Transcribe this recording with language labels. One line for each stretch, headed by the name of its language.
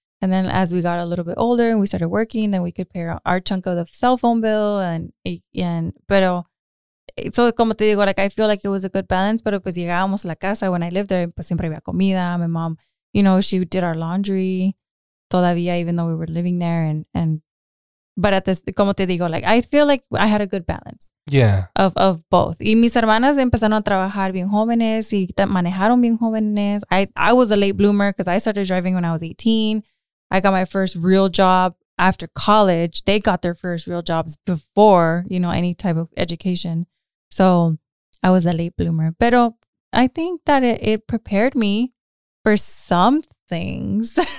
English: And then as we got a little bit older and we started working, then we could pay our chunk of the cell phone bill and pero so como te digo, like I feel like it was a good balance, pero pues llegábamos a la casa when I lived there, pues siempre había comida, my mom, you know, she did our laundry todavía even though we were living there and but at this, como te digo, like I feel like I had a good balance. Yeah. Of both.
Spanish: Y mis hermanas empezaron a trabajar bien jóvenes y manejaron bien jóvenes.
English: I was a late bloomer because I started driving when I was 18. I got my first real job after college. They got their first real jobs before, you know, any type of education. So I was a late bloomer. Pero I think that it prepared me for some things.